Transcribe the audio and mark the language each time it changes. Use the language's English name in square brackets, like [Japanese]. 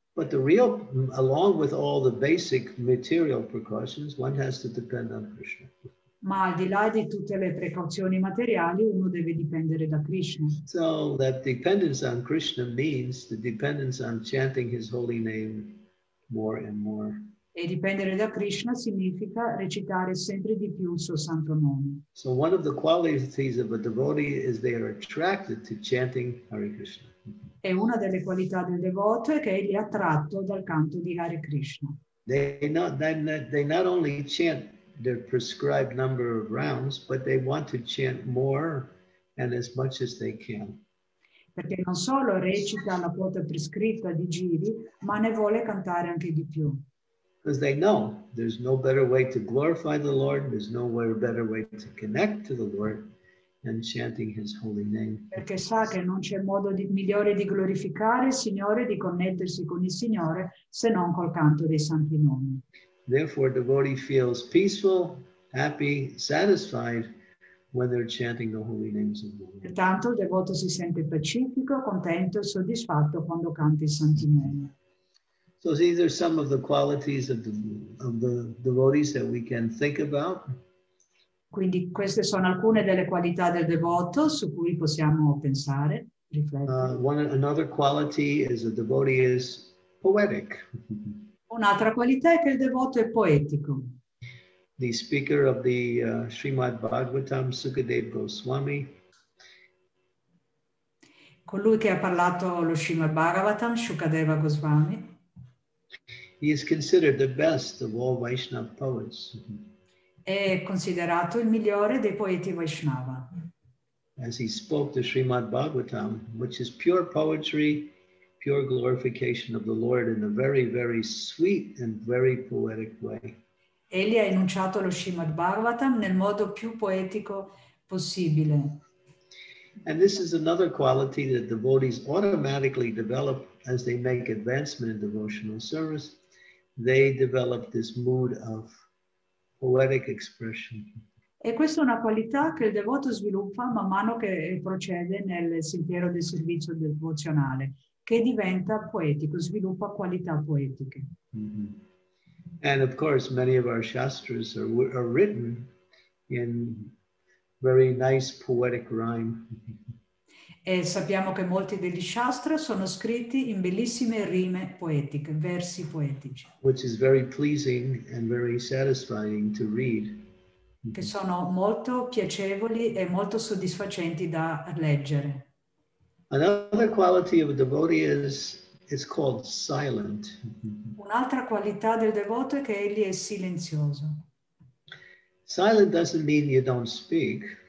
[English] But the real, along with all the basic material precautions, one has to depend on Krishna. [Italian] Ma al di là di tutte le precauzioni materiali, uno deve dipendere da Krishna. [English] So that dependence on Krishna means the dependence on chanting his holy name more and more. [Italian] E dipendere da Krishna significa recitare sempre di più il suo santo nome. [English] So one of the qualities of a devotee is they are attracted to chanting Hare Krishna. [Italian] E una delle qualità del devoto è che egli è attratto dal canto di Hare Krishna. [English] They not only chant their prescribed number of rounds, but they want to chant more and as much as they can. [Italian] Perché non solo recita la quota prescritta di giri, ma ne vuole cantare anche di più. [English] Because they know there's no better way to glorify the Lord, there's no better way to connect to the Lord than chanting his holy name. [Italian] Perché sa che non c'è modo migliore di glorificare il Signore, di connettersi con il Signore, se non col canto dei santi nomi. [English] Therefore, devotee feels peaceful, happy, satisfied when they're chanting the holy names of the Lord. [Italian] Pertanto, il devoto si sente pacifico, contento, soddisfatto quando canta il santo nome. [English] So these are some of the qualities of the devotees that we can think about. [Italian] Quindi queste sono alcune delle qualità del devoto su cui possiamo pensare, riflettere. [English] Another quality is a devotee is poetic. [Italian] Un'altra qualità è che il devoto è poetico. [English] The speaker of the Srimad Bhagavatam, Sukadev Goswami. [Italian] Colui che ha parlato lo Srimad Bhagavatam, Sukadeva Goswami. [English] He is considered the best of all Vaishnava poets. [Italian] È considerato il migliore dei poeti Vaishnava. [English] As he spoke the Srimad Bhagavatam, which is pure poetry, pure glorification of the Lord in a very, very sweet and very poetic way. [Italian] Egli ha enunciato lo Srimad Bhagavatam nel modo più poetico possibile. [English] And this is another quality that devotees automatically develop as they make advancement in devotional service. They develop this mood of poetic expression. [Italian] E questa è una qualità che il devoto sviluppa man mano che procede nel sentiero del servizio devozionale. Che diventa poetico, sviluppa qualità poetiche. Mm-hmm. [English] And of course, many of our shastras are written in very nice poetic rhyme. [Italian] E sappiamo che molti degli shastra sono scritti in bellissime rime poetiche, versi poetici. [English] Which is very pleasing and very satisfying to read. [Italian] Che sono molto piacevoli e molto soddisfacenti da leggere. [English] Another quality of a devotee is called silent. [Italian] Un'altra qualità del devoto è che egli è silenzioso. [English] Silent doesn't mean you don't speak.